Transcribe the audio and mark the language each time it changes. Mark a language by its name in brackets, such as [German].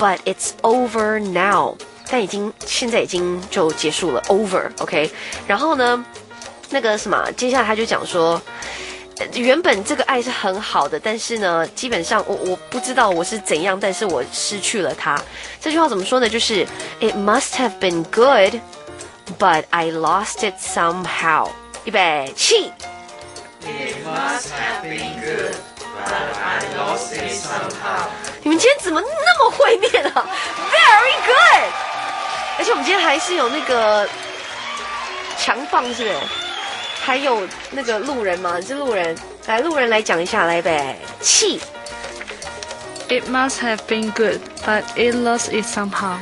[English] But it's over now， [Chinese] 但已经现在已经就结束了。 [English] Over， OK。 [Chinese] 然后呢，那个什么，接下来他就讲说，原本这个爱是很好的，但是呢，基本上我不知道我是怎样，但是我失去了它。这句话怎么说呢？ [English] 就是 It must have been good, but I lost it somehow. [Chinese] 预备起。 [English] It must have been good, but I lost it somehow. [Chinese] 你们今天怎么那么会念啊？ [English] Very good. [Chinese] 而且我们今天还是有那个强棒，是不是？还有那个路人吗？是路人，来路人来讲一下，来呗。气。 [English] It must have been good, but it lost it somehow.